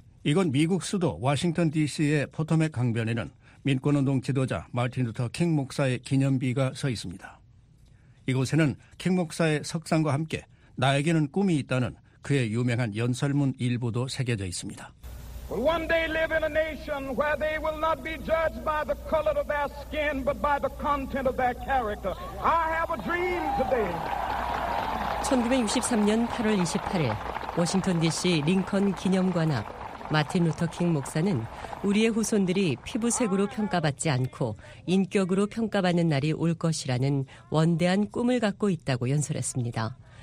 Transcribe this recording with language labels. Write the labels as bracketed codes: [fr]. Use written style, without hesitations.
[ko] 이곳 미국 수도 워싱턴 DC의 포토맥 강변에는 민권운동 지도자 마틴 루터 킹 목사의 기념비가 서 있습니다. 이곳에는 킹 목사의 석상과 함께 나에게는 꿈이 있다는 그의 유명한 연설문 일부도 새겨져 있습니다. [en] Will one day live in a nation where they will not be judged by the color of their skin, but by the content of their character. I have a dream today. [ko] 1963년 8월 28일, 워싱턴 DC 링컨 기념관 앞 마틴 루터 킹 목사는 우리의 후손들이 피부색으로 평가받지 않고 인격으로 평가받는 날이 올 것이라는 원대한 꿈을 갖고 있다고 연설했습니다.